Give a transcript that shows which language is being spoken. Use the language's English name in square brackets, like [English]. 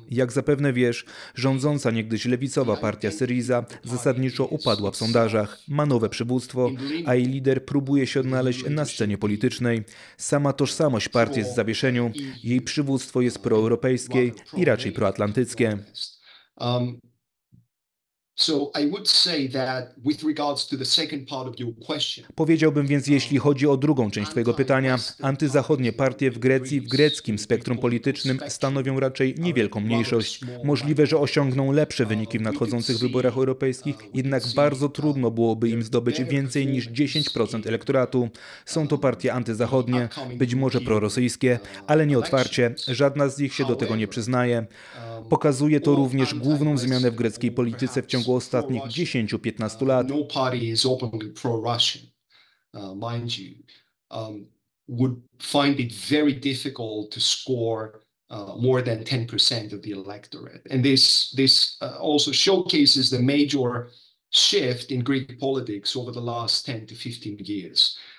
[Polish] Jak zapewne wiesz, rządząca niegdyś lewicowa partia Syriza zasadniczo upadła w sondażach, ma nowe przywództwo, a jej lider próbuje się odnaleźć na scenie politycznej. Sama tożsamość partii jest w zawieszeniu, jej przywództwo jest proeuropejskie i raczej proatlantyckie. [English] So I would say that with regards to the second part of your question. [Polish] Powiedziałbym więc, jeśli chodzi o drugą część twojego pytania, antyzachodnie partie w Grecji w greckim spektrum politycznym stanowią raczej niewielką mniejszość. Możliwe, że osiągną lepsze wyniki w nadchodzących wyborach europejskich, jednak bardzo trudno byłoby im zdobyć więcej niż 10% elektoratu. Są to partie antyzachodnie, być może prorosyjskie, ale nie otwarcie. Żadna z nich się do tego nie przyznaje. Pokazuje to również główną zmianę w greckiej polityce w ciągu ostatnich 10-15 lat. [English] No party is openly pro-Russian, mind you, would find it very difficult to score more than 10% of the electorate. And this also showcases the major shift in Greek politics over the last 10 to 15 years.